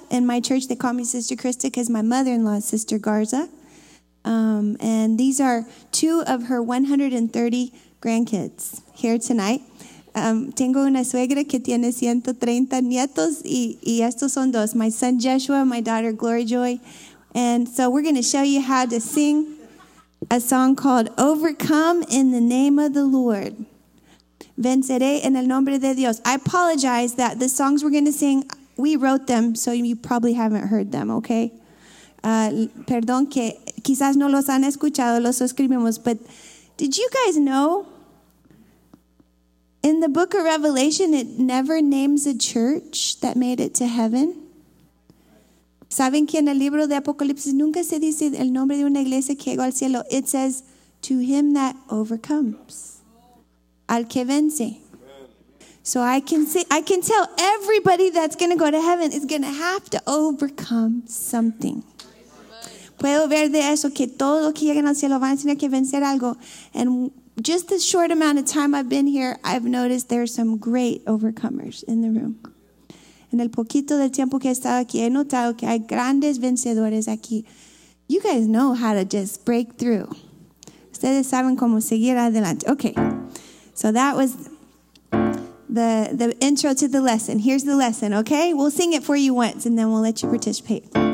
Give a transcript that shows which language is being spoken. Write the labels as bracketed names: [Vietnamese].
[English] In my church, they call me Sister Krista because my mother-in-law is Sister Garza. And these are two of her 130 grandkids here tonight. [Spanish] Tengo una suegra que tiene 130 nietos y estos son dos. [English] My son Joshua, my daughter Glory Joy. And so we're going to show you how to sing a song called Overcome in the Name of the Lord. [Spanish] Venceré en el nombre de Dios. [English] I apologize that the songs we're going to sing, we wrote them, so you probably haven't heard them, okay? [Spanish] Perdón que quizás no los han escuchado, los escribimos, [English] but did you guys know in the book of Revelation, it never names a church that made it to heaven? [Spanish] ¿Saben que en el libro de Apocalipsis nunca se dice el nombre de una iglesia que llegó al cielo? [English] It says, to him that overcomes. [Spanish] Al que vence. [English] So I can tell everybody that's going to go to heaven is going to have to overcome something. [Spanish] Puedo ver de eso que todos los que llegan al cielo van a tener que vencer algo. [English] And just the short amount of time I've been here, I've noticed there are some great overcomers in the room. [Spanish] En el poquito del tiempo que he estado aquí, he notado que hay grandes vencedores aquí. [English] You guys know how to just break through. [Spanish] Ustedes saben cómo seguir adelante. [English] Okay, so that was the intro to the lesson. Here's the lesson, okay? We'll sing it for you once, and then we'll let you participate.